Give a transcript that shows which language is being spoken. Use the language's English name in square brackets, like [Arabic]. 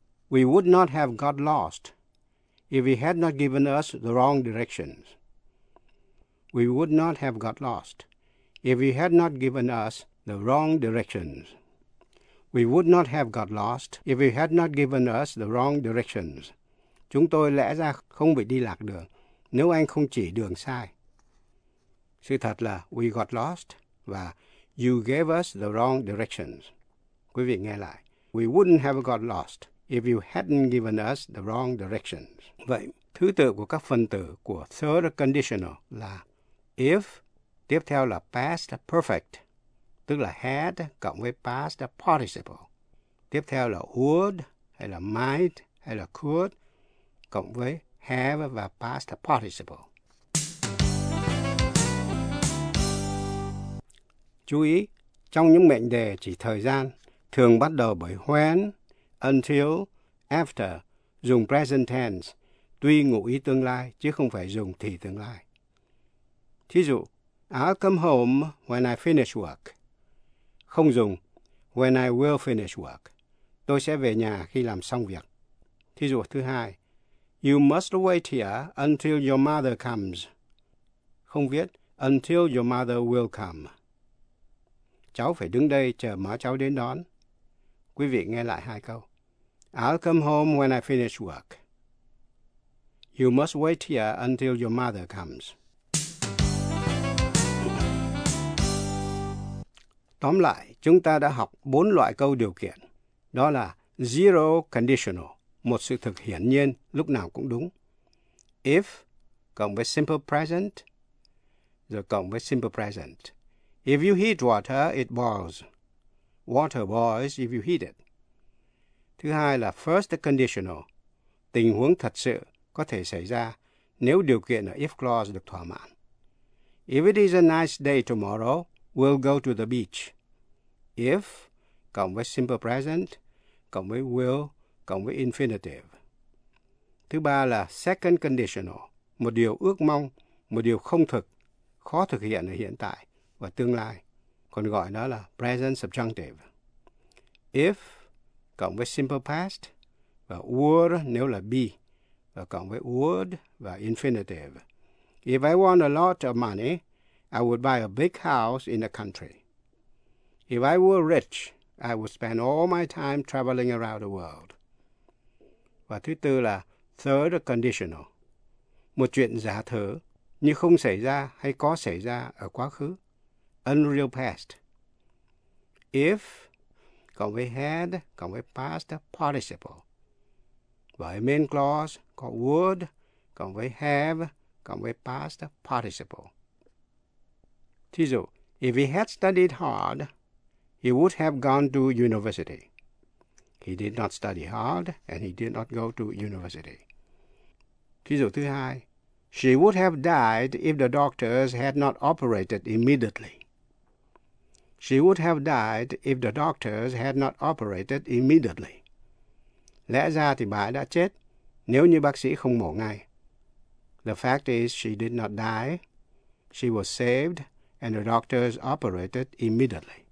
[English] We would not have got lost if he had not given us the wrong directions. We would not have got lost if he had not given us the wrong directions. We would not have got lost if he had not given us the wrong directions. [Vietnamese] Chúng tôi lẽ ra không bị đi lạc đường nếu anh không chỉ đường sai. Sự thật là [English] we got lost [Vietnamese] và [English] you gave us the wrong directions. [Vietnamese] Quý vị nghe lại. [English] We wouldn't have got lost if you hadn't given us the wrong directions. [Vietnamese] Vậy, thứ tự của các phần tử của third conditional là if, tiếp theo là past perfect, tức là had cộng với past participle. Tiếp theo là would hay là might hay là could cộng với have và past participle. Chú ý, trong những mệnh đề chỉ thời gian, thường bắt đầu bởi when, until, after, dùng present tense, tuy ngụ ý tương lai, chứ không phải dùng thì tương lai. Thí dụ, [English] I'll come home when I finish work. [Vietnamese] Không dùng, [English] when I will finish work. [Vietnamese] Tôi sẽ về nhà khi làm xong việc. Thí dụ thứ hai, [English] you must wait here until your mother comes. [Vietnamese] Không viết, [English] until your mother will come. [Vietnamese] Cháu phải đứng đây chờ má cháu đến đón. Quý vị nghe lại hai câu. [English] I'll come home when I finish work. You must wait here until your mother comes. [Vietnamese] Tóm lại, chúng ta đã học bốn loại câu điều kiện. Đó là zero conditional, một sự thực hiển nhiên lúc nào cũng đúng. If cộng với simple present, rồi cộng với simple present. [English] If you heat water, it boils. Water boils if you heat it. [Vietnamese] Thứ hai là first conditional. Tình huống thật sự có thể xảy ra nếu điều kiện ở if clause được thỏa mãn. [English] If it is a nice day tomorrow, we'll go to the beach. [Vietnamese] If cộng với simple present, cộng với will, cộng với infinitive. Thứ ba là second conditional. Một điều ước mong, một điều không thực, khó thực hiện ở hiện tại và tương lai, còn gọi nó là present subjunctive. If cộng với simple past và would nếu là be và cộng với would và infinitive. [English] If I want a lot of money, I would buy a big house in the country. If I were rich, I would spend all my time traveling around the world. [Vietnamese] Và thứ tư là third conditional. Một chuyện giả thử như không xảy ra hay có xảy ra ở quá khứ. unreal past. If cộng với had cộng với past participle. Với main clause có would cộng với have cộng với past participle. Thí dụ, [English] if he had studied hard, he would have gone to university. He did not study hard and he did not go to university. [Vietnamese] Thí dụ thứ hai, [English] she would have died if the doctors had not operated immediately. She would have died if the doctors had not operated immediately. [Vietnamese] Lẽ ra thì bà ấy đã chết nếu như bác sĩ không mổ ngay. [English] The fact is she did not die. She was saved and the doctors operated immediately.